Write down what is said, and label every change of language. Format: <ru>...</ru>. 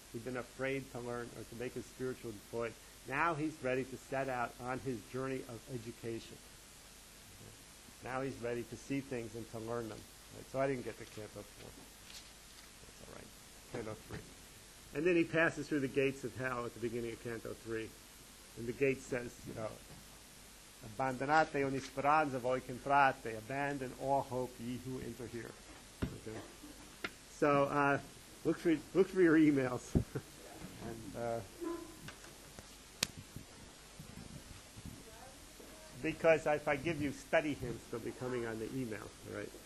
<en>He'd been afraid to learn or to make his spiritual point. Now he's ready to set out on his journey of education. Now he's ready to see things and to learn them. Right, so I didn't get to camp up for him. That's all right. Canto 3. And then he passes through the gates of hell at the beginning of Canto 3. And the gate says,</en> <it>Abbandonate ogni speranza voi che entrate.</it> <en>Abandon all hope, ye who enter here. Okay. So look for your emails. And because if I give you study hints, they'll be coming on the email, right?</en>